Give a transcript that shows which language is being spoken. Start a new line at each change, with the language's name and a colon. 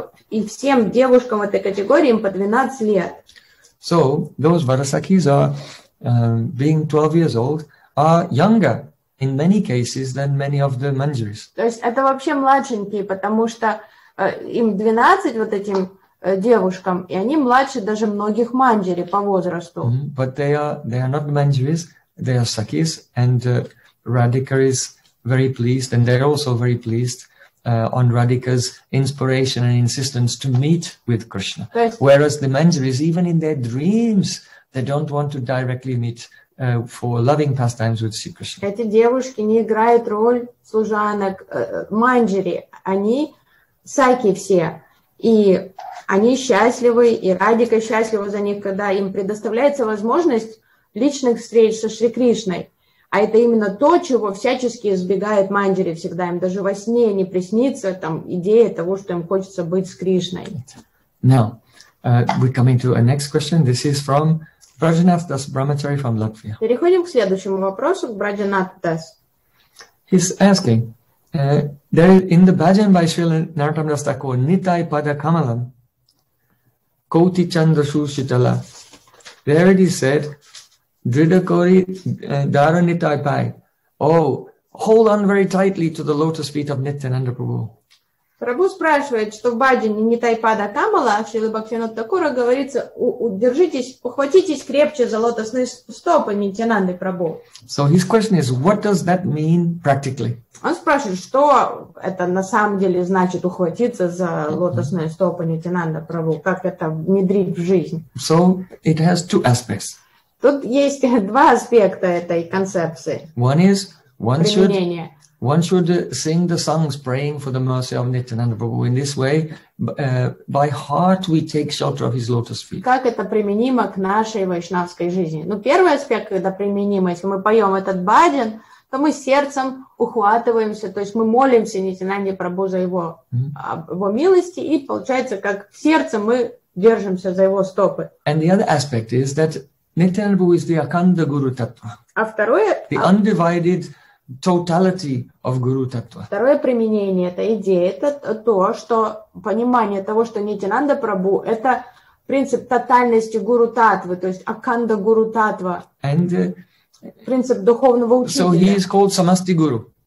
Russian: И всем девушкам этой категории им по 12 лет.
English: So, those Varasakis are, being 12 years old, are younger in many cases than many of the Manjaris.
Russian: То есть это вообще младшенькие, потому что им 12 вот этим девушкам, и они младше даже многих Манджари по возрасту. Mm-hmm.
English: But they are not Manjaris, they are Sakis, and Radhika is very pleased, and they're also very pleased on Radhika's inspiration and insistence to meet with Krishna. Whereas the Manjaris, even in their dreams, they don't want to directly meet for loving pastimes with Sri Krishna.
Russian: Эти девушки не играют роль служанок Манджари. Они сайки все. И они счастливы, и Радика счастлива за них, когда им предоставляется возможность личных встреч со Шри Кришной. А это именно то, чего всячески избегает Манджари всегда. Им даже во сне не приснится там идея того, что им хочется быть с Кришной.
English: Now, we're coming to a next question. This is from Brajanath Das Brahmachari from Latvia.
Russian: Переходим к следующему вопросу, к Брajanath Das.
English: He's asking, there is, in the bhajan by Srila Narottam Das Thakur, Nitai Pada Kamalam, Koti Chandra Shushitala, there it is said, Dridakori Dara Nitai Pai. Oh, hold on very tightly to the lotus feet of Nityananda Prabhu.
Russian: Прабху спрашивает, что в баджане Нитайпада Камала, Шрила Бхактивинода Такура, говорится, удержитесь, ухватитесь крепче за лотосные стопы Нитянанды Прабху.
English: So his question is, what does that mean practically?
Russian: Он спрашивает, что это на самом деле значит ухватиться за лотосные стопы Нитянанды Прабху, как это внедрить в жизнь?
English: So it has two aspects.
Russian: Тут есть два аспекта этой концепции.
English: One is, one should sing the songs praying for the mercy of Nityananda Prabhu. In this way, by heart we take shelter of his lotus feet.
Russian: Как это применимо к нашей вайшнавской жизни? Ну, первый аспект, когда применимо, если мы поем этот баджан, то мы сердцем ухватываемся, то есть мы молимся Нитянанде Прабху за его милости, и получается, как в сердце мы держимся за его стопы.
English: And the other aspect is that Nityananda Prabhu is the Akanda Guru Tattva.
Russian: А второе,
English: the undivided totality of Guru Tattva.
Russian: Второе применение этой идеи — это то, что понимание того, что Нитянанда Прабху — это принцип тотальности Гуру Таттвы, то есть Акханда Гуру Таттва.
English: And
Russian: принцип духовного учителя.
English: So he is called Samasti Guru.